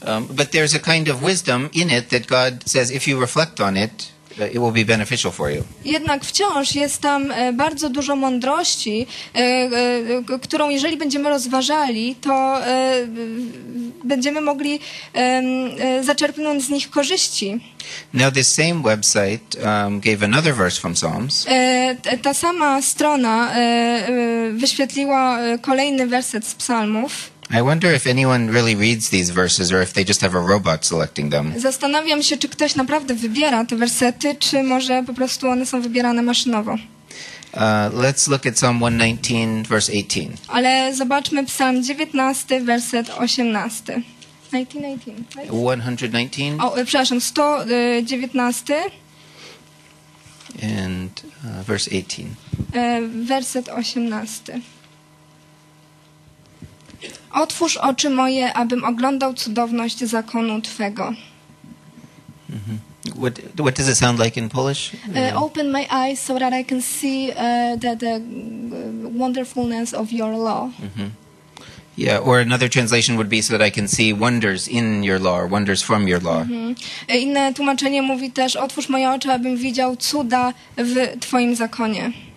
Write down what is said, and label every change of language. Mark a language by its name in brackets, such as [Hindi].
[English] But there's a kind of wisdom in it that God says if you reflect on it, it will be beneficial for you. [Polish] Jednak wciąż jest tam bardzo dużo mądrości, którą jeżeli będziemy rozważali, to będziemy mogli zaczerpnąć z nich korzyści. [English] Now this same website gave another verse from Psalms. [Polish] Ta sama strona wyświetliła kolejny werset z Psalmów. [English] I wonder if anyone really reads these verses or if they just have a robot selecting them. [Polish] Zastanawiam się, czy ktoś naprawdę wybiera te wersety, czy może po prostu one są wybierane maszynowo. [English] Let's look at Psalm 119, verse 18. [Polish] Ale zobaczmy Psalm 19, werset 18. 119. [English] Right? [Polish] 119. Oh, przepraszam, 119. [English] And verse 18. [Polish] Werset 18. Otwórz oczy moje, abym oglądał cudowność zakonu Twego. Mm-hmm. [English] What does it sound like in Polish? Open my eyes so that I can see the wonderfulness of your law. Mm-hmm. Yeah, or another translation would be so that I can see wonders in your law, or wonders from your law. Mm-hmm. [Polish] Inne tłumaczenie mówi też, otwórz moje oczy, abym widział cuda w Twoim zakonie.